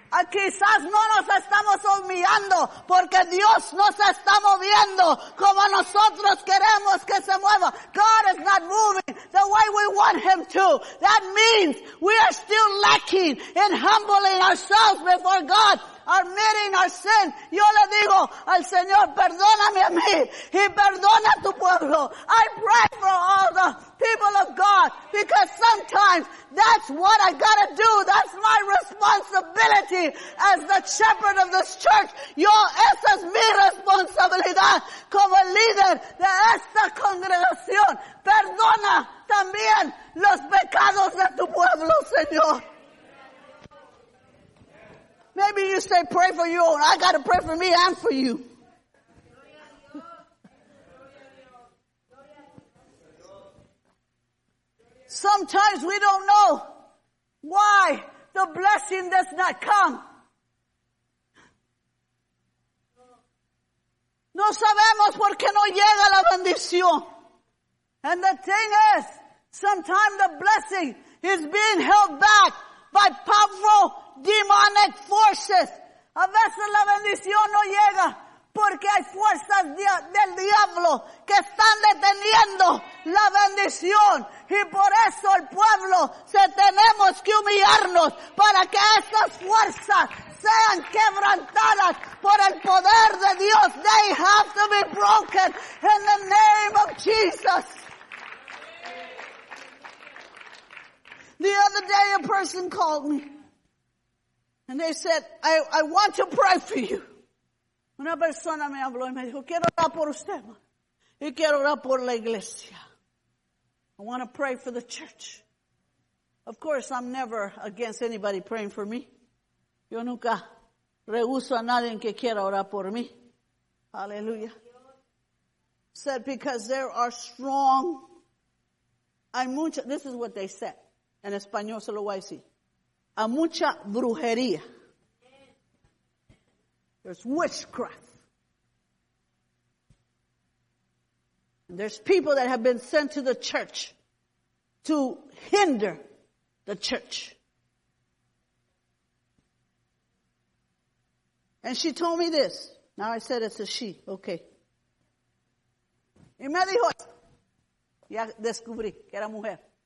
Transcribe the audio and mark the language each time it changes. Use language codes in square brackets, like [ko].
[es] Quizás no nos estamos humillando porque Dios nos está moviendo como nosotros queremos que se mueva. [en] God is not moving the way we want him to. That means we are still lacking in humbling ourselves before God, admitting our sin. [es] Yo le digo al Señor, perdóname a mí y perdona tu pueblo. [en] I pray for all the people of God because sometimes that's what I gotta do. That's my responsibility as the shepherd of this church. [es] Yo, esa es mi responsabilidad como líder de esta congregación. Perdona también los pecados de tu pueblo, Señor. [en] Maybe you say, pray for your own. I gotta pray for me and for you. Sometimes we don't know why the blessing does not come. [es] No sabemos por qué no llega la bendición. [en] And the thing is, sometimes the blessing is being held back by powerful demonic forces. [es] A veces la bendición no llega porque hay fuerzas del diablo que están deteniendo la bendición. Y por eso el pueblo se tenemos que humillarnos para que esas fuerzas sean quebrantadas por el poder de Dios. [en] They have to be broken in the name of Jesus. The other day a person called me and they said, I want to pray for you. [es] Una persona me habló y me dijo, quiero orar por usted, y quiero orar por la iglesia. [en] I want to pray for the church. Of course, I'm never against anybody praying for me. [es] Yo nunca rehuso a nadie que quiera orar por mí. [en] Hallelujah. Said, because there are strong, [es] hay mucha, [en] this is what they said. [es] En español se lo voy a decir. A mucha brujería. [en] There's witchcraft. There's people that have been sent to the church to hinder the church. And she told me this. Now I said it's a she. Okay. [es] Y me dijo, ya descubrí que era mujer.